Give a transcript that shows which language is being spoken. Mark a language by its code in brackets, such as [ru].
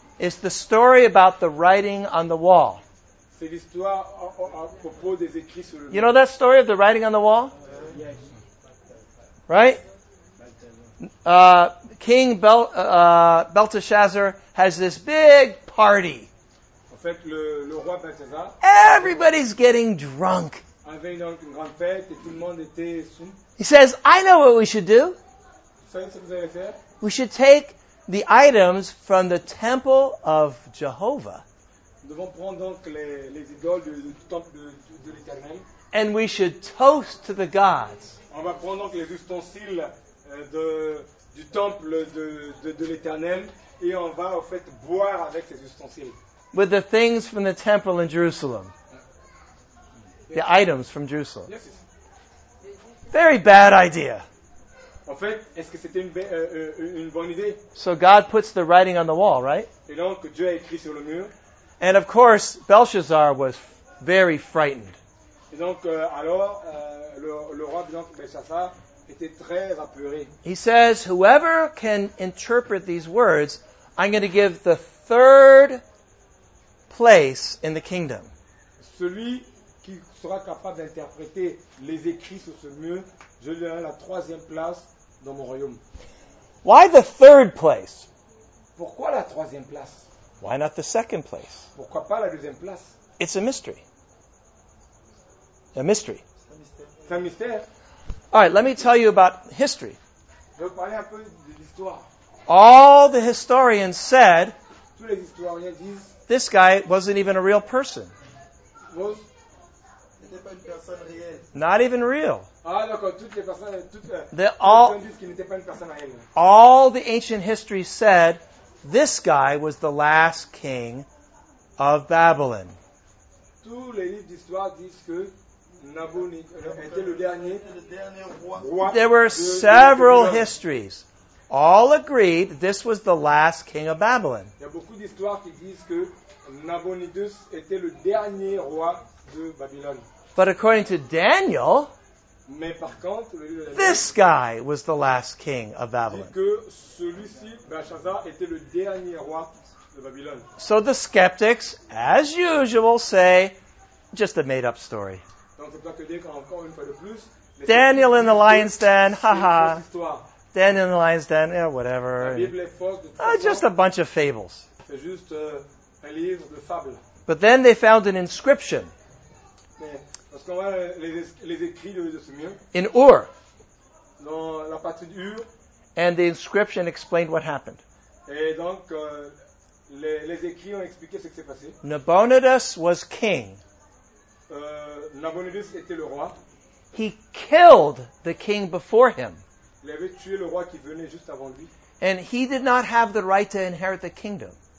[en] it's the story about the writing on the wall. [fr] C'est l'histoire à propos des écrits sur le mur. [en] You know that story of the writing on the wall? Yes. Right? King Belteshazzar has this big party. [fr] En fait, le roi Belteshazzar. [en] Everybody's getting drunk. [fr] Avait une grande fête et tout le monde était sous. [en] He says, I know what we should do. [fr] Vous savez ce que vous allez faire? [en] We should take the items from the temple of Jehovah. [fr] Nous devons prendre donc les idoles du temple de l'Éternel. [en] And we should toast to the gods. [fr] On va prendre donc les ustensiles du temple de l'Éternel et on va en fait boire avec ces ustensiles. [en] With the things from the temple in Jerusalem. The items from Jerusalem. Yes. Very bad idea. [fr] En fait, est-ce que c'était une bonne idée? [en] So God puts the writing on the wall, right? [fr] Et donc Dieu a écrit sur le mur. [en] And of course, Belshazzar was very frightened. [fr] Et donc, le roi Belshazzar était très apeuré. [en] He says, whoever can interpret these words, I'm going to give the third place in the kingdom. [fr] Celui qui sera capable d'interpréter les écrits sur ce mur, je lui donnerai la troisième place dans mon royaume. [en] Why the third place? [fr] Pourquoi la troisième place? [en] Why not the second place? [fr] Pourquoi pas la deuxième place? [en] It's a mystery. A mystery. [fr] C'est un mystère. [en] All right, let me tell you about history. [fr] Je vais parler un peu de l'histoire. [en] All the historians said, [fr] tous les historiens disent, [en] this guy wasn't even a real person. [fr] N'était pas une personne réelle. [en] Not even real. [fr] Ah, donc, toutes les personnes, toutes les personnes disent qu'il n'était pas une personne réelle. [en] All the ancient history said, this guy was the last king of Babylon. [fr] Tous les livres d'histoire disent que Nabonidus était le dernier roi. [en] There were several histories. All agreed this was the last king of Babylon. [fr] Il y a beaucoup d'histoires qui disent que Nabonidus était le dernier roi de Babylone. [en] But according to Daniel, [fr] mais par contre, [en] this guy was the last king of Babylon. [fr] Que celui-ci, Belshazzar, était le dernier roi de Babylone. [en] So the skeptics, as usual, say, just a made-up story. [fr] Donc, c'est pas que dire qu'encore une fois de plus, [en] Daniel in the lion's den, haha. Daniel in the lion's den, yeah, whatever. [fr] La Bible est fausse de toute façon. [en] Just a bunch of fables. [fr] C'est juste un livre de fables. [en] But then they found an inscription. [fr] Parce qu'on voit les écrits de ce mien. [en] In Ur. [fr] Dans la partie d'Ur. [en] And the inscription explained what happened. [fr] Et donc, les écrits ont expliqué ce qui s'est passé. [en] Nabonidus was king. [fr] Nabonidus était le roi. [en] He killed the king before him. [fr] Il avait tué le roi qui venait juste avant lui. [en] And he did not have the right to inherit the kingdom.